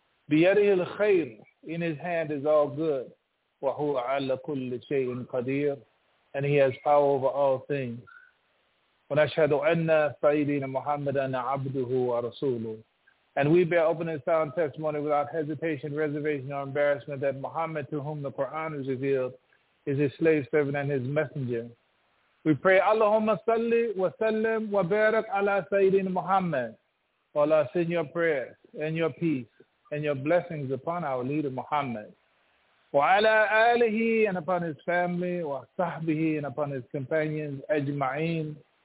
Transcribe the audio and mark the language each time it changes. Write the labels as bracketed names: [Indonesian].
[Arabic] بِيَدِهِ الْخَيْرُ, [English] in His hand is all good. [Arabic] وَهُوَ عَلَى كُلِّ شَيْءٍ قَدِيرٌ, [English] and He has power over all things. [Arabic] وَنَشْهَدُ أَنَّ سَيِّدِينَ مُحَمَّدًا عَبْدُهُ وَرَسُولُهُ, [English] and we bear open and sound testimony without hesitation, reservation, or embarrassment that Muhammad, to whom the Quran is revealed, is His slave servant and His messenger. We pray, [Arabic] اللهم صلِّ وسلِّم وبارك على سيدنا محمد. [English] Allah, send your prayers and your peace and your blessings upon our leader Muhammad, [Arabic] wa ala alihi, [English] and upon his family, [Arabic] wa sahbihi, [English] and upon his companions, ajma'in.